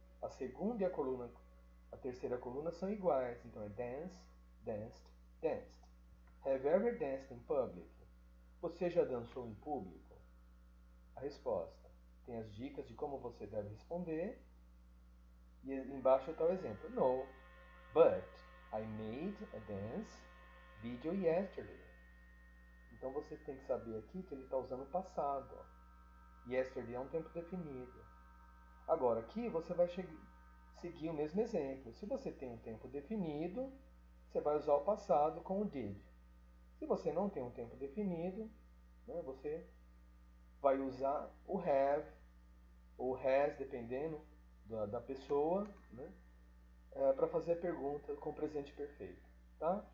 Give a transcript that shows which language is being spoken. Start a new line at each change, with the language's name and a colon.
Portuguese: A segunda e a terceira coluna são iguais. Então é
English: dance, danced, danced. Have you ever danced in public?
Portuguese: Você já dançou em público? A resposta. Tem as dicas de como você deve responder. E embaixo está o exemplo.
English: No, but I made a dance video yesterday.
Portuguese: Então você tem que saber aqui que ele está usando o passado. Ó. Yesterday é um tempo definido. Agora aqui você vai seguir o mesmo exemplo. Se você tem um tempo definido, você vai usar o passado com o did. Se você não tem um tempo definido, né, você vai usar o have ou has, dependendo da pessoa, né, para fazer a pergunta com o presente perfeito, tá?